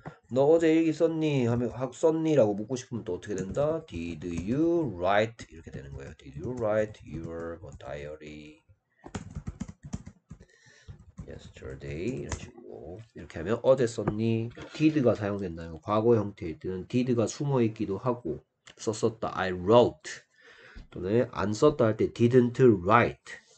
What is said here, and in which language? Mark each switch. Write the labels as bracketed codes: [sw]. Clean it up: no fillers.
[ko] 너 어제 일기 썼니? 하면 썼니라고 묻고 싶으면 또 어떻게 된다? [en] Did you write? [ko] 이렇게 되는 거예요. [en] Did you write your diary yesterday? [ko] 이렇게 하면 어제 썼니? Did가 사용된다는 거. 과거 형태일 때는 Did가 숨어 있기도 하고 썼었다. [en] I wrote [ko] 또는 안 썼다 할때 [en] Didn't write.